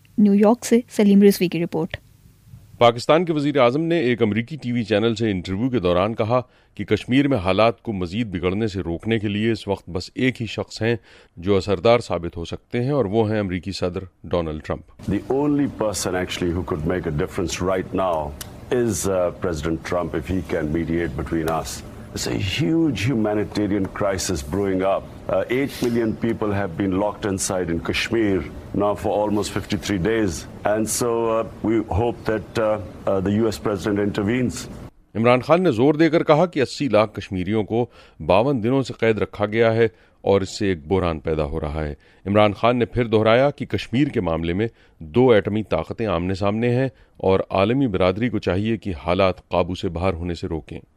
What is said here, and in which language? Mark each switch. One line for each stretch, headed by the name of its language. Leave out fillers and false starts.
Urdu: New York سے سلیم رضوی کی report. Pakistan کے وزیر اعظم نے ایک امریکی ٹی وی چینل سے انٹرویو کے دوران کہا کہ کشمیر میں حالات کو مزید بگڑنے سے روکنے کے لیے اس وقت بس ایک ہی شخص ہیں جو اثردار ثابت ہو سکتے ہیں, اور وہ ہیں امریکی صدر Donald Trump.
English: The only person actually who could make a difference right now is President Trump if he can mediate between us. It's a huge humanitarian crisis brewing up. 8 million people have been locked inside in Kashmir now for almost 53 days. And so we hope that the US president intervenes.
Urdu: Imran Khan نے زور دے کر کہا کہ 80 لاکھ کشمیریوں کو 52 دنوں سے قید رکھا گیا ہے اور اس سے ایک بحران پیدا ہو رہا ہے. عمران خان نے پھر دہرایا کہ کشمیر کے معاملے میں دو ایٹمی طاقتیں آمنے سامنے ہیں اور عالمی برادری کو چاہیے کہ حالات قابو سے باہر ہونے سے روکیں.